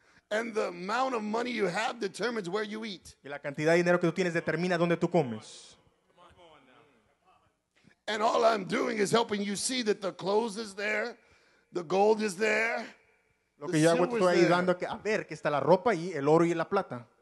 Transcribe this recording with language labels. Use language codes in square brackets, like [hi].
[en] And the amount of money you have determines where you eat. [es] Y la cantidad de dinero que tú tienes determina dónde tú comes. [en] And all I'm doing is helping you see that the clothes is there, the gold is there. [es] Lo que yo hago estoy ayudando a ver que está la ropa y el oro y la plata.